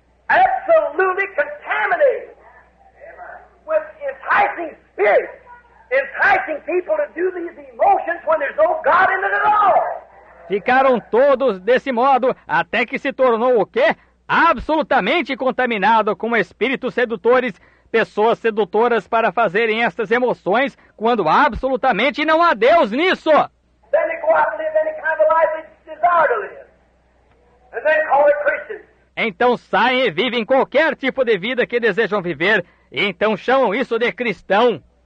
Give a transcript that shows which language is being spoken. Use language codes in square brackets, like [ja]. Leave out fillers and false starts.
[en] Absolutely contaminated with enticing spirits, enticing people to do these emotions when there's no God in it at all. [pt] Ficaram todos desse modo até que se tornou o quê? Absolutamente contaminado com espíritos sedutores, pessoas sedutoras para fazerem estas emoções quando absolutamente não há Deus nisso. [en] Then they go out and live any kind of life they desire to live, and then call it Christian. [pt] Então saem e vivem qualquer tipo de vida que desejam viver, e então chamam isso de cristão.